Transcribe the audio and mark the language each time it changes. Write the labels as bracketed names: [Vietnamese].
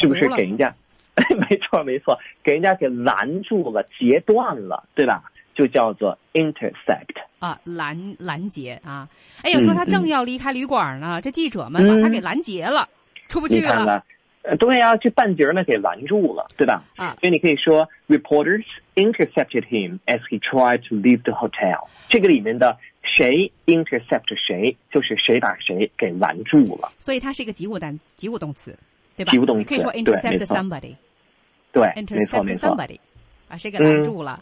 [Chinese] 是不是给人家？没错没错，给人家给拦住了，截断了，对吧？就叫做 intercept 啊，拦截啊！哎呦，说他正要离开旅馆呢，这记者们把他给拦截了，出不去了。你看看，对呀，这半截呢给拦住了，对吧？啊，所以你可以说 [English] reporters intercepted him as he tried to leave the hotel。 [Chinese] 这个里面的。谁 intercept 谁，就是谁把谁给拦住了。所以它是一个及物动词，对吧？及物动词，你可以说 [English] intercept somebody。 [Chinese] 对， [English] intercept somebody [Chinese] 啊，是给拦住了。